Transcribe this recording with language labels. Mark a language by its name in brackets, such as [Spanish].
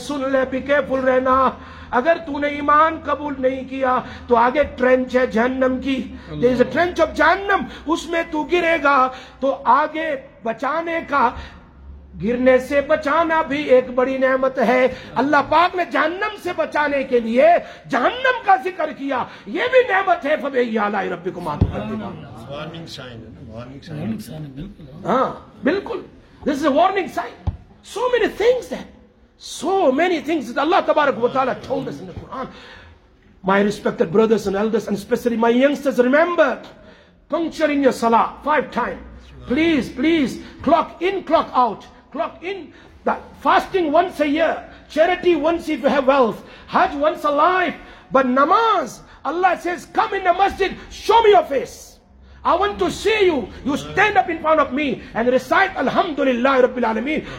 [Urdu] سن لے, بے کیپل رہنا, اگر تو نے ایمان قبول نہیں کیا تو آگے ٹرنچ ہے جہنم کی, [English] there is a trench of جہنم, [Urdu] اس میں تو گرے گا. تو آگے بچانے کا, گرنے سے بچانا بھی ایک بڑی نعمت ہے. اللہ پاک نے جہنم سے بچانے کے لیے جہنم کا ذکر کیا, یہ بھی نعمت ہے. [Arabic] فبئی آلائی ربکما تکذبان, [English] warning sign, warning sign, [Urdu] بالکل. ہاں بالکل, [English] This is a warning sign. So many things, so many things اللہ تبارک و تعالیٰ ٹولڈ اس ان دی قرآن. My respected brothers and elders and especially my youngsters, remember puncturing your صلاح five time. Please, clock in, clock out. Clock in, fasting once a year, charity once if you have wealth, Hajj once a life, but namaz, Allah says, come in the masjid, show me your face. I want to see you. You stand up in front of me and recite [Arabic] Alhamdulillah Rabbil Alameen.